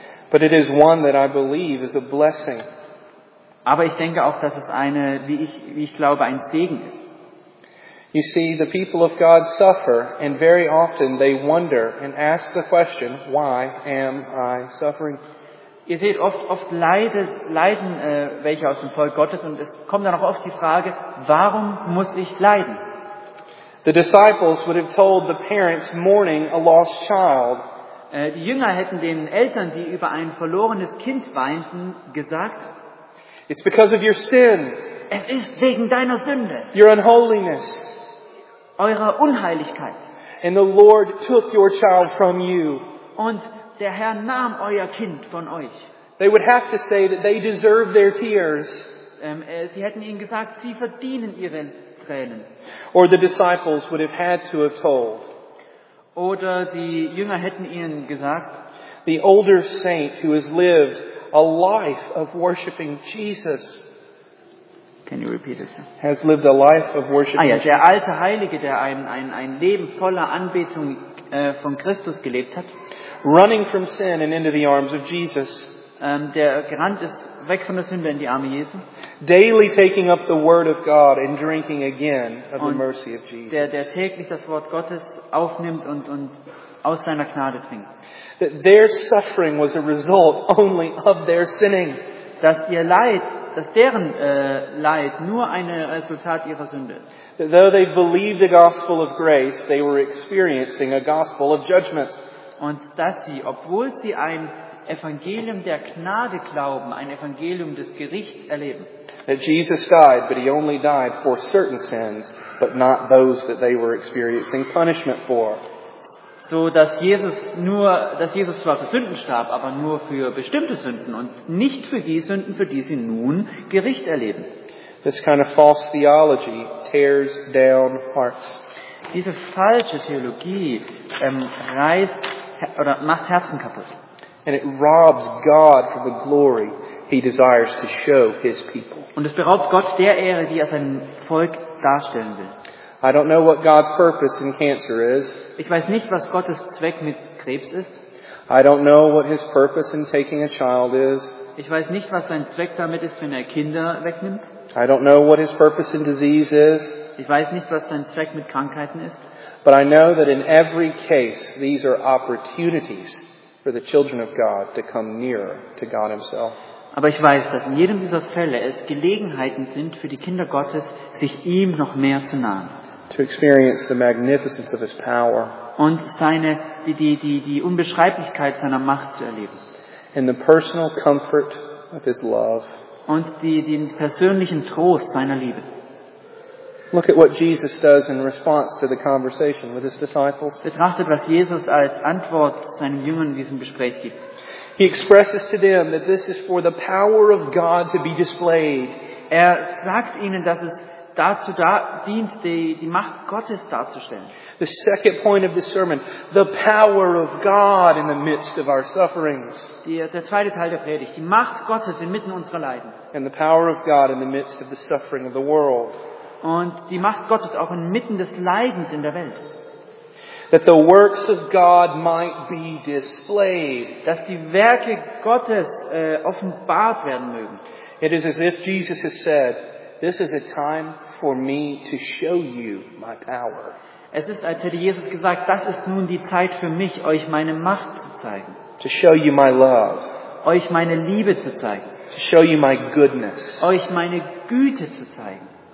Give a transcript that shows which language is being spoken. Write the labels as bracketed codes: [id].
[en] But it is one that I believe is a blessing. [de] Aber ich denke auch, dass es eine, wie ich glaube, ein Segen ist. [en] You see, the people of God suffer, and very often they wonder and ask the question, why am I suffering? [de] Ihr seht, oft leiden welche aus dem Volk Gottes, und es kommt dann auch oft die Frage, warum muss ich leiden? [en] The disciples would have told the parents mourning a lost child. [de] Die Jünger hätten den Eltern, die über ein verlorenes Kind weinten, gesagt, [en] it's because of your sin. [de] Es ist wegen deiner Sünde. [en] Your unholiness. [de] Eurer Unheiligkeit. [en] And the Lord took your child from you. [de] Und der Herr nahm euer Kind von euch. [en] They would have to say that they deserve their tears. [de] Sie hätten ihnen gesagt, sie verdienen ihre Tränen. [en] Or the disciples would have had to have told. [de] Oder die Jünger hätten ihnen gesagt, [en] the older saint who has lived a life of worshiping Jesus. Can you repeat it, sir? Has lived a life of worshiping. [de] Ah, ja, der alte Heilige, der ein Leben voller Anbetung von Christus gelebt hat. [en] Running from sin and into the arms of Jesus. [de] Der gerannt ist weg von der Sünde in die Arme Jesu. [en] Daily taking up the word of God and drinking again of the mercy of Jesus. [de] Der täglich das Wort Gottes aufnimmt und aus seiner Gnade trinkt. [en] That their suffering was a result only of their sinning. [de] Dass ihr Leid, dass deren Leid nur ein Resultat ihrer Sünde ist. [en] That though they believed the gospel of grace, they were experiencing a gospel of judgment. [de] Und dass sie, obwohl sie ein Evangelium der Gnade glauben, ein Evangelium des Gerichts erleben. [en] That Jesus died, but he only died for certain sins, but not those that they were experiencing punishment for. [de] So dass Jesus nur, dass Jesus zwar für Sünden starb, aber nur für bestimmte Sünden und nicht für die Sünden, für die sie nun Gericht erleben. [en] This kind of false theology tears down hearts. [de] Diese falsche Theologie reißt oder macht Herzen kaputt. [en] And it robs God from the glory he desires to show his people. [de] Und es beraubt Gott der Ehre, die er seinem Volk darstellen will. [en] I don't know what God's purpose in cancer is. [de] Ich weiß nicht, was Gottes Zweck mit Krebs ist. [en] I don't know what his purpose in taking a child is. [de] Ich weiß nicht, was sein Zweck damit ist, wenn er Kinder wegnimmt. [en] I don't know what his purpose in disease is. [de] Ich weiß nicht, was sein Zweck mit Krankheiten ist. [en] But I know that in every case these are opportunities for the children of God to come nearer to God himself. [de] Aber ich weiß, dass in jedem dieser Fälle es Gelegenheiten sind für die Kinder Gottes, sich ihm noch mehr zu nahen. [en] To experience the magnificence of his power. [de] Und seine die Unbeschreiblichkeit seiner Macht zu erleben. [en] And the personal comfort of his love. [de] Und den persönlichen Trost seiner Liebe. [en] Look at what Jesus does in response to the conversation with his disciples. [de] Betrachtet, was Jesus als Antwort seinen Jüngern in diesem Gespräch gibt. [en] He expresses to them that this is for the power of God to be displayed. [de] Er sagt ihnen, dass es dazu dient, die Macht Gottes darzustellen. [en] The second point of the sermon, the power of God in the midst of our sufferings. [de] Der zweite Teil der Predigt, die Macht Gottes inmitten unserer Leiden. [en] And the power of God in the midst of the suffering of the world. [de] Und die Macht Gottes auch inmitten des Leidens in der Welt. [en] That the works of God might be displayed. [de] Dass die Werke Gottes offenbart werden mögen. [en] It is as if Jesus has said, this is a time for me to show you my power. [de] Es ist, als hätte Jesus gesagt, das ist nun die Zeit für mich, euch meine Macht zu zeigen. [en] To show you my love. [de] Euch meine Liebe zu zeigen. [en] To show you my goodness. [de] Euch meine Güte zu zeigen.